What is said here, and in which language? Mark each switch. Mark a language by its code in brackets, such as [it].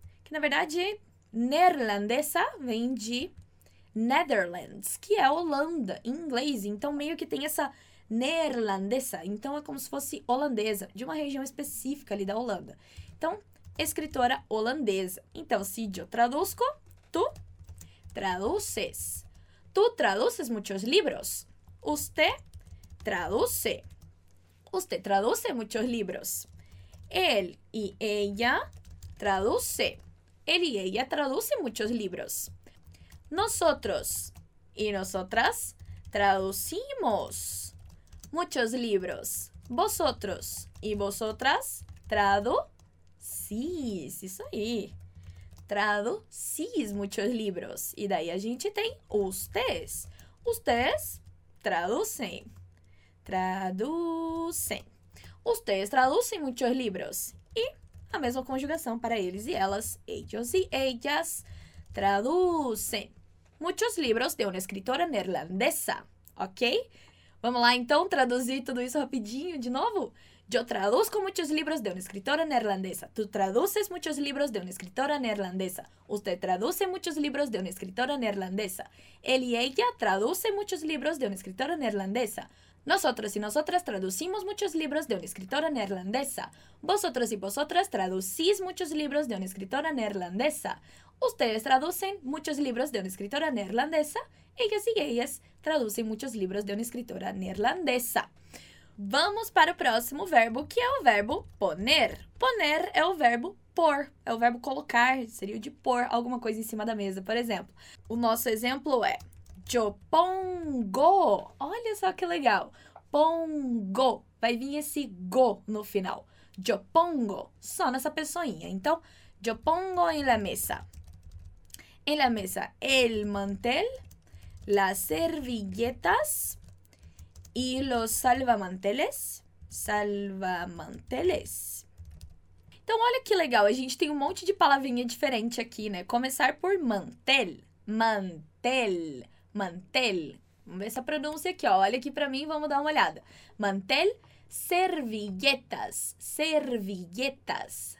[pt] Que, na verdade, neerlandesa vem de Netherlands, que é Holanda em inglês. Então, meio que tem essa neerlandesa. Então, é como se fosse holandesa, de uma região específica ali da Holanda. Então, escritora holandesa. Então, se eu traduzco, [es] tu traduces. Tu traduces muchos libros. Usted traduce. Usted traduce muchos libros. Él y ella traduce. Él y ella traduce muchos libros. Nosotros y nosotras traducimos muchos libros. Vosotros y vosotras traducimos. Traducís, [pt] isso aí. [es] Traducís muchos libros. [pt] E daí a gente tem ustedes. [es] Ustedes traducem. Traducem. Ustedes traducem muchos libros. [pt] E a mesma conjugação para eles e elas. [es] Ellos y ellas traducem. Muchos libros de una escritora neerlandesa. Ok? [pt] Vamos lá então traduzir tudo isso rapidinho de novo? [es] Yo traduzco muchos libros de una escritora neerlandesa. Tú traduces muchos libros de una escritora neerlandesa. Usted traduce muchos libros de una escritora neerlandesa. Él y ella traduce muchos libros de una escritora neerlandesa. Nosotros y nosotras traducimos muchos libros de una escritora neerlandesa. Vosotros y vosotras traducís muchos libros de una escritora neerlandesa. Ustedes traducen muchos libros de una escritora neerlandesa. Ellas y ellas traducen muchos libros de una escritora neerlandesa. [pt] Vamos para o próximo verbo, que é o verbo poner. Poner é o verbo pôr, é o verbo colocar, seria o de pôr alguma coisa em cima da mesa, por exemplo. O nosso exemplo é [es] yo pongo. [pt] Olha só que legal. Pongo. Vai vir esse go no final. [es] Yo pongo. [pt] Só nessa pessoinha. Então, [es] yo pongo en la mesa. En la mesa, el mantel, las servilletas, y los salvamanteles, salvamanteles. [pt] Então, olha que legal, a gente tem um monte de palavrinha diferente aqui, né? Começar por mantel, mantel, mantel. Vamos ver essa pronúncia aqui, ó. Olha aqui pra mim, vamos dar uma olhada. Mantel, servilletas, servilletas.